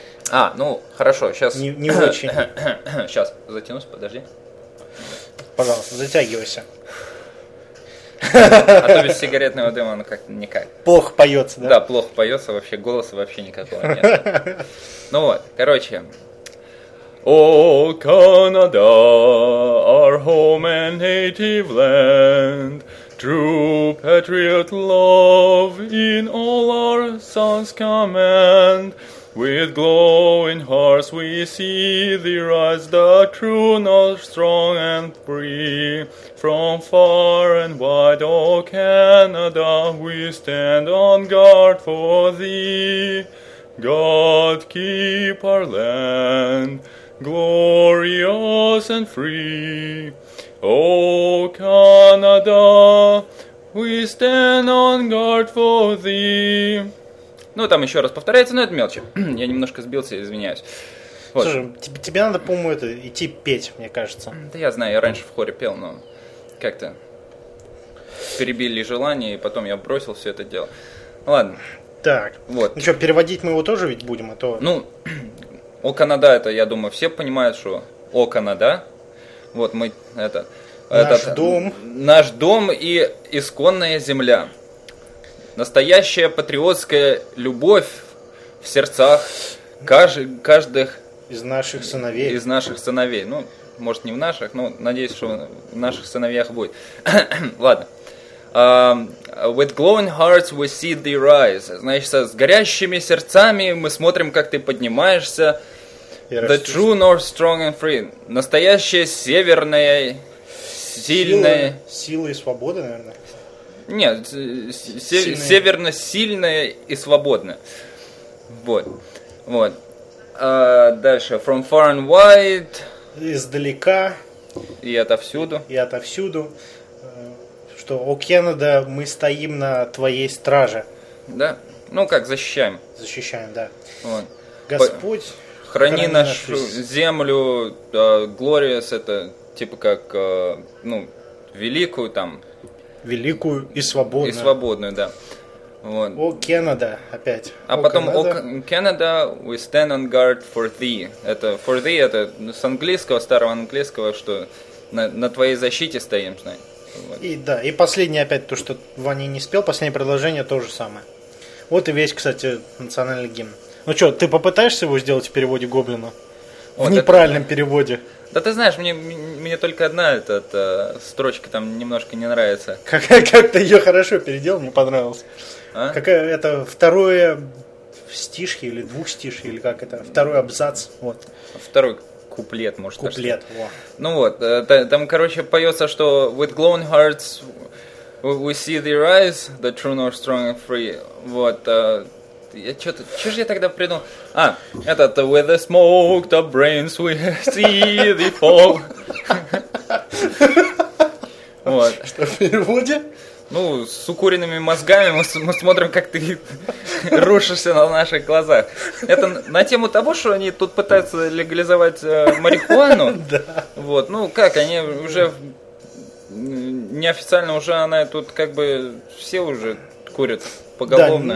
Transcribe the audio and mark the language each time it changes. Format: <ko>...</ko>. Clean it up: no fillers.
<ru>А, ну хорошо, сейчас... Не очень. Сейчас, затянусь, подожди. Пожалуйста, затягивайся. А то без сигаретного дыма оно как-то никак. Плохо поется, да? Да, плохо поется, вообще голоса вообще никакого нет. Ну вот, короче. О, Канада,</ru> <en>our home and native land, true patriot love in all our sons command. With glowing hearts we see thee rise, the true north, strong and free. From far and wide, O Canada, we stand on guard for thee. God keep our land glorious and free. O Canada, we stand on guard for thee.</en> <ru>Ну, там еще раз повторяется, но это мелочи. Я немножко сбился, извиняюсь. Вот. Слушай, тебе надо, по-моему, это идти петь, мне кажется. Да я знаю, я раньше в хоре пел, но как-то перебили желание, и потом я бросил все это дело. Ладно. Так, вот. Ну что, переводить мы его тоже ведь будем, а то... Ну, о Канада, это, я думаю, все понимают, что о Канада. Вот мы, это... Наш этот, дом. Наш дом и исконная земля. Настоящая патриотская любовь в сердцах каждых Из наших сыновей. Из наших сыновей. Ну, может, не в наших, но надеюсь, что в наших сыновьях будет. Ладно.</ru> <en>With glowing hearts we see thee rise.</en> <ru>Значит, с горящими сердцами мы смотрим, как ты поднимаешься.</ru> <en>The true north, strong and free.</en> <ru>Настоящая северная, сильная... Сила и свобода, наверное. Нет, северно сильная и свободная. Вот. Вот. Дальше.</ru> <en>From far and wide.</en> <ru>Издалека. И отовсюду. И отовсюду. Что, о Кеннеда, мы стоим на твоей страже. Да. Ну как, защищаем. Защищаем, да. Вот. Господь, храни нашу землю, glorious, это типа как, ну, великую там. Великую и свободную. И свободную, да. Вот. О Кеннеда, опять. А потом, о Кеннеда,</ru> <en>we stand on guard for thee.</en> <ru>Это</ru> <en>for thee,</en> <ru>это с английского, старого английского, что на твоей защите стоим, знаешь. Вот. И да, и последнее опять, то, что Ваня не спел, последнее предложение то же самое. Вот и весь, кстати, национальный гимн. Ну что, ты попытаешься его сделать в переводе Гоблина? Вот в неправильном переводе. Да ты знаешь, мне только одна эта строчка там немножко не нравится. Как ты ее хорошо переделал, мне понравилось. А? Какая это второе стишки или двухстишье, или как это? Второй абзац. Вот. Второй куплет, может быть. Куплет, во. Ну вот, там, короче, поется, что</ru> <en>with glowing hearts we see thee rise, the true north strong and free.</en> <ru>Вот. Я что-то, что же я тогда придумал? А, этот</ru> <en>with the smoked up brains we see the fall.</en> <ru>Вот. Что в переводе? Ну, с укуренными мозгами мы смотрим, как ты рушишься на наших глазах. Это на тему того, что они тут пытаются легализовать марихуану. Да. Вот, ну как, они уже неофициально уже она тут как бы все уже курят поголовно.</ru>